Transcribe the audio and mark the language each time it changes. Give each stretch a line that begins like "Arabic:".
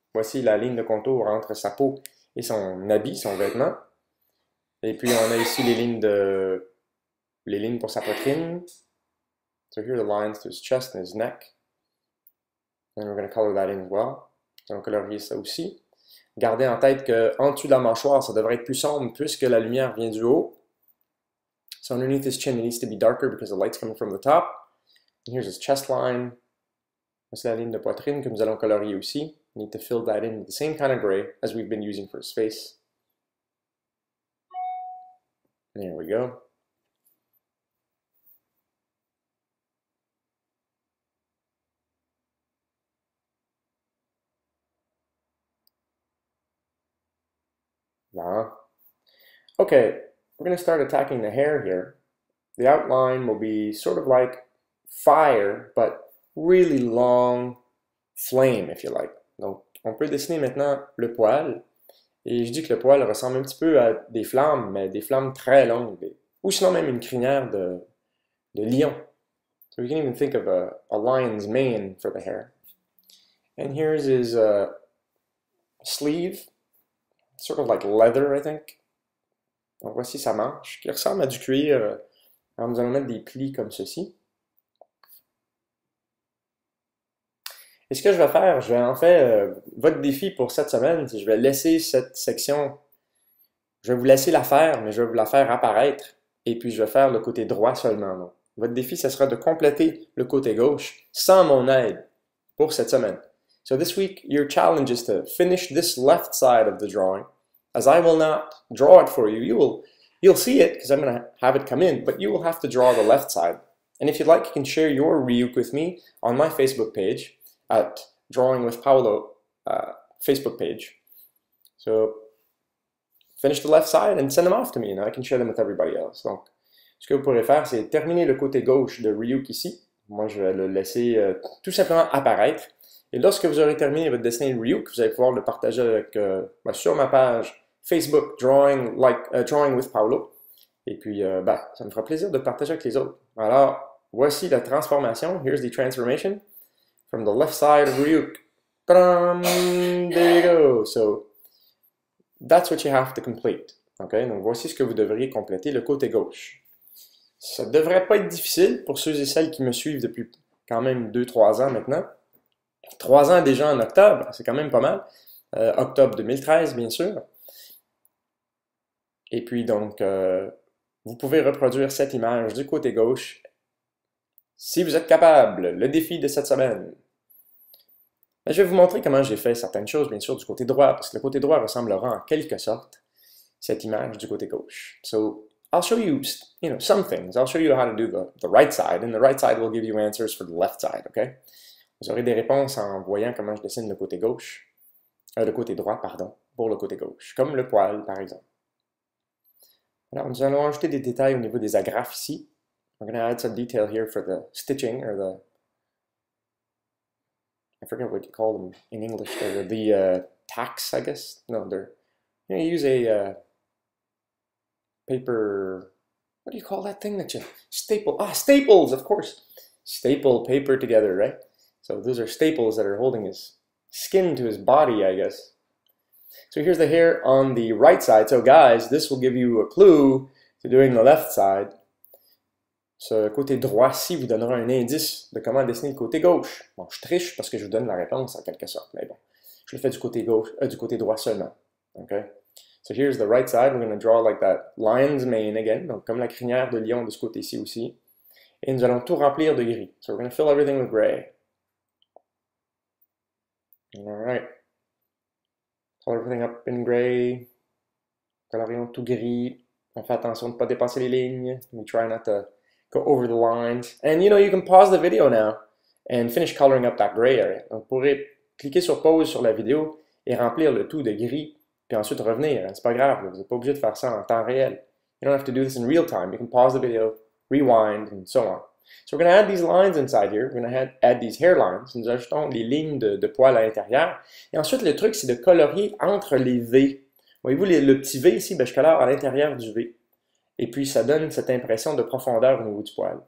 French: Voici la ligne de contour entre sa peau et son habit, son vêtement. Et puis on a ici les lignes pour sa poitrine.
English: So here are the lines to his chest and his neck. And we're going to color that in as well.
French: So on colorise ça aussi. Gardez en tête que en dessous de la mâchoire, ça devrait être plus sombre puisque la lumière vient du haut.
English: So underneath his chin, it needs to be darker because the light's coming from the top. And here's his chest line.
French: Voici la ligne de poitrine que nous allons colorier aussi.
English: We need to fill that in with the same kind of gray as we've been using for his face. There we go. Okay, we're going to start attacking the hair here. The outline will be sort of like fire, but really long flame, if you like.
French: Donc, on peut dessiner maintenant le poil. Et je dis que le poil ressemble un petit peu à des flammes, mais des flammes très longues. Ou sinon même une crinière de lion.
English: So we can even think of a lion's mane for the hair. And here's his sleeve. Sort of like leather, I think.
French: Donc voici sa manche, qui ressemble à du cuir. Alors nous allons mettre des plis comme ceci. Et ce que je vais faire, je vais en fait, votre défi pour cette semaine, c'est je vais laisser cette section, je vais vous laisser la faire, mais je vais vous la faire apparaître, et puis je vais faire le côté droit seulement. Donc, votre défi, ce sera de compléter le côté gauche sans mon aide pour cette semaine.
English: So this week, your challenge is to finish this left side of the drawing. As I will not draw it for you, you'll see it because I'm going to have it come in, but you will have to draw the left side. And if you'd like, you can share your Ryuk with me on my Facebook page at Drawing with Paolo Facebook page. So finish the left side and send them off to me and I can share them with everybody else.
French: Donc, ce que vous pourrez faire, c'est terminer le côté gauche de Ryuk ici. Moi, je vais le laisser tout simplement apparaître. Et lorsque vous aurez terminé votre dessin Ryuk, vous allez pouvoir le partager avec, sur ma page Facebook Drawing, Drawing with Paolo. Et puis, ça me fera plaisir de partager avec les autres. Alors, voici la transformation.
English: Here's the transformation. From the left side of Ryuk. There you go. So, that's what you have to complete. Okay?
French: Donc, voici ce que vous devriez compléter le côté gauche. Ça ne devrait pas être difficile pour ceux et celles qui me suivent depuis quand même 2-3 ans maintenant. 3 ans déjà en octobre, c'est quand même pas mal. Octobre 2013, bien sûr. Et puis donc, vous pouvez reproduire cette image du côté gauche si vous êtes capable. Le défi de cette semaine. Mais je vais vous montrer comment j'ai fait certaines choses, bien sûr, du côté droit, parce que le côté droit ressemblera en quelque sorte cette image du côté gauche.
English: So, I'll show you, you know, some things. I'll show you how to do the right side, and the right side will give you answers for the left side, okay?
French: Vous aurez des réponses en voyant comment je dessine le côté gauche, le côté droit, pardon, pour le côté gauche, comme le poil, par exemple. Alors, nous allons ajouter des détails au niveau des agrafes ici.
English: I'm going to add some detail here for the stitching, or the... I forget what you call them in English. The tacks, I guess. No, they're... You know, you use a paper... What do you call that thing that you... Staple. Ah, staples, of course. Staple paper together, right? So those are staples that are holding his skin to his body, I guess. So here's the hair on the right side. So guys, this will give you a clue to doing the left side.
French: Ce côté droit-ci vous donnera un indice de comment dessiner le côté gauche. Bon, je triche parce que je vous donne la réponse en quelque sorte, mais bon. Je le fais du côté gauche, du côté droit seulement.
English: Okay? So here's the right side. We're going to draw like that lion's mane again.
French: Donc comme la crinière de lion de ce côté-ci aussi. Et nous allons tout remplir de gris.
English: So we're going to fill everything with gray. Alright. Color everything up in gray.
French: Colorions tout gris. On fait attention de ne pas dépasser les lignes.
English: We try not to go over the lines. And you know, you can pause the video now and finish coloring up that gray area.
French: Donc, vous pourrez cliquer sur pause sur la vidéo et remplir le tout de gris, puis ensuite revenir. C'est pas grave, vous n'êtes pas obligé de faire ça en temps réel.
English: You don't have to do this in real time. You can pause the video, rewind, and so on. So we're going to add these lines inside here. We're going to add these hairlines.
French: Nous ajoutons les lignes de poils à l'intérieur. Et ensuite, le truc, c'est de colorier entre les V. Voyez-vous, le petit V ici, ben, je colore à l'intérieur du V. Et puis, ça donne cette impression de profondeur au niveau du poil.